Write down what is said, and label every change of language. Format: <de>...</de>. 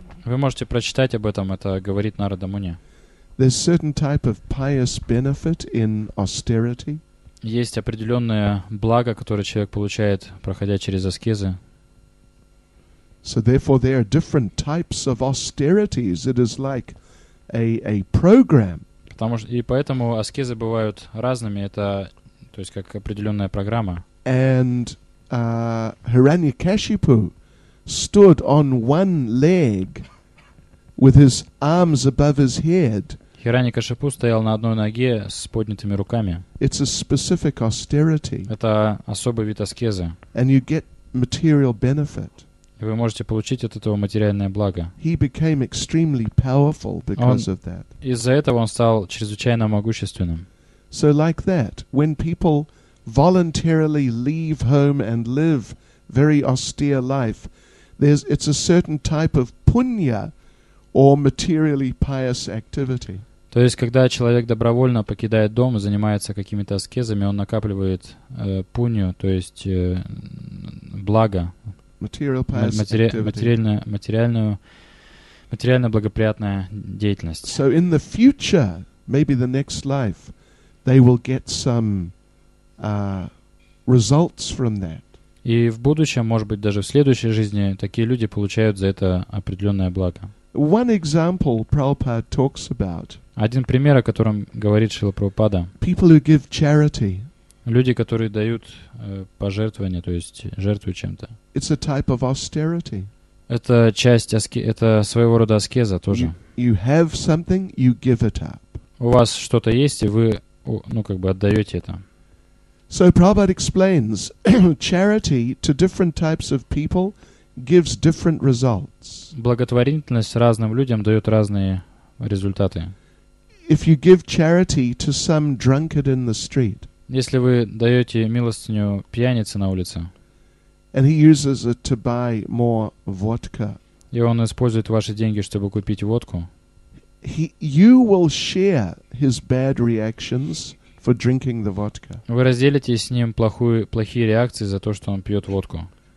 <ru>Вы можете прочитать об этом. Это говорит Нарада Муни.</ru> <en>There's certain type of pious benefit in austerity.</en> <ru>Есть определенное благо, которое человек получает, проходя через аскезы.</ru> <en>So therefore, there are different types of austerities. It is like a program.</en> <ru>Потому что и поэтому аскезы бывают разными. Это, то есть, как определенная программа.</ru> <en>And Hiranyakashipu stood on one leg with his arms above his head.</en> <ru>Hiranyakashipu стоял на одной ноге с поднятыми руками.</ru> <en>It's a specific austerity.</en> <ru>Это особый вид аскезы.</ru> <en>And you get material benefit.</en> <ru>И вы можете получить от этого материальное благо.</ru> <en>He became extremely powerful because of that.</en> <ru>Из-за этого он стал чрезвычайно могущественным.</ru> <en>So like that, when people voluntarily leave home and live very austere life. It's a certain type of punya or materially pious activity.</en> <ru>То есть, когда человек добровольно покидает дом и занимается какими-то аскезами, он накапливает пунью, то есть благо.</ru> <en>Material pious activity.</en> <ru>Материально благоприятная деятельность.</ru> <en>So in the future, maybe the next life, they will get some results from that.</en> <ru>И в будущем, может быть, даже в следующей жизни, такие люди получают за это определенное благо.</ru> <en>One example Prabhupada talks about.</en> <ru>Один пример, о котором говорит Шрила Прабхупада.</ru> <en>People who give charity.</en> <ru>Люди, которые дают пожертвования, то есть жертвуют чем-то.</ru> <en>It's a type of austerity.</en> <ru>Это часть это своего рода аскеза тоже.</ru> <en>You have something, you give it up.</en> <ru>У вас что-то есть, и вы ну, как бы отдаете это.</ru> <en>So Prabhupada explains, charity to different types of people gives different results.</en> <ru>Благотворительность разным людям дает разные результаты.</ru> <en>If you give charity to some drunkard in the street,</en> <ru>если вы даете милостыню пьянице на улице,</ru> <en>and he uses it to buy more vodka,</en> <ru>и он использует ваши деньги, чтобы купить водку,</ru> <en>you will share his bad reactions for drinking the vodka.</en> <ru>Вы разделите с ним плохие реакции за то, что он пьет водку.</ru>